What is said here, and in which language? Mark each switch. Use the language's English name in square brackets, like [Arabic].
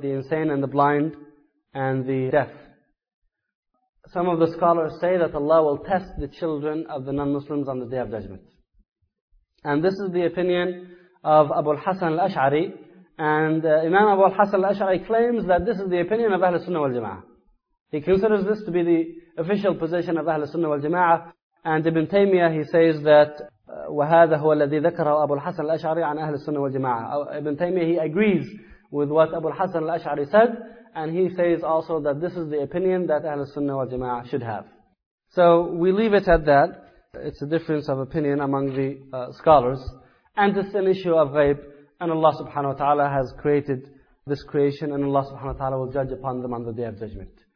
[English] The insane and the blind and the deaf. Some of the scholars say that Allah will test the children of the non-Muslims on the Day of Judgment. And this is the opinion of Abu al-Hasan al-Ash'ari. And Imam Abu al-Hasan al-Ash'ari claims that this is the opinion of Ahl al-Sunnah wal-Jama'ah. He considers this to be the official position of Ahl al-Sunnah wal-Jama'ah. And Ibn Taymiyyah, he says that [Arabic] وهذا هو الذي ذكره أبو الحسن الأشعري عن أهل السنة والجماعة. [English] Ibn Taymiyyah, he agrees with what Abu al-Hasan al-Ash'ari said, and he says also that this is the opinion that Ahl al-Sunnah wal-Jama'ah should have. So we leave it at that. It's a difference of opinion among the scholars, and it's an issue of ghaib, and Allah subhanahu wa ta'ala has created this creation, and Allah subhanahu wa ta'ala will judge upon them on the Day of Judgment.